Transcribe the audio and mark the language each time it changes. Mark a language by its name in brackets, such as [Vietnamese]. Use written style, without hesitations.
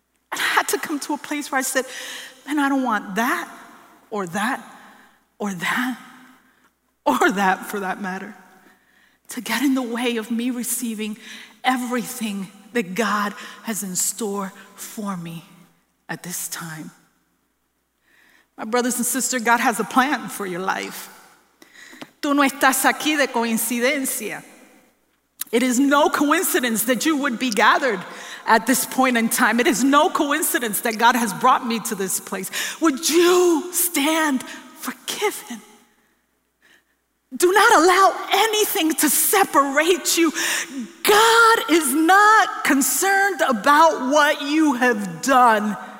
[English] And I had to come to a place where I said, man, I don't want that or that or that or that for that matter to get in the way of me receiving everything that God has in store for me at this time. My brothers and sisters, God has a plan for your life. [Spanish] Tú no estás aquí de coincidencia. [English] It is no coincidence that you would be gathered at this point in time. It is no coincidence that God has brought me to this place. Would you stand forgiven? Do not allow anything to separate you. God is not concerned about what you have done.